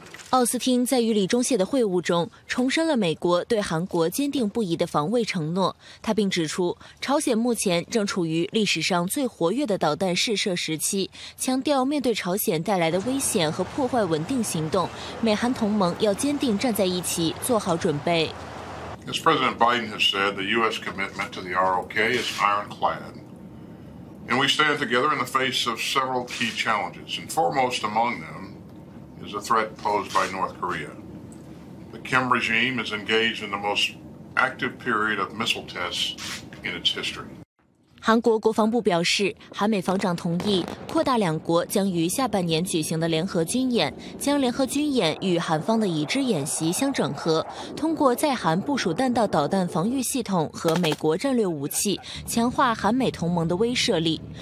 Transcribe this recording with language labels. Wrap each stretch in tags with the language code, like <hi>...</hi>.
<zh>奥斯汀在与李钟燮的会晤中重申了美国对韩国坚定不移的防卫承诺，他并指出朝鲜目前正处于历史上最活跃的导弹试射时期，强调面对朝鲜带来的危险和破坏稳定行动，美韩同盟要坚定站在一起做好准备。</zh> <en>As President Biden has said, the U.S. commitment to the ROK is ironclad, and we stand together in the face of several key challenges, and foremost among themis a threat posed by North Korea. The Kim regime is engaged in the most active period of missile tests in its history.</en> <zh>韩国国防部表示，韩美防长同意扩大两国将于下半年举行的联合军演，将联合军演与韩方的已知演习相整合，通过在韩部署弹道导弹防御系统和美国战略武器，强化韩美同盟的威慑力。</zh>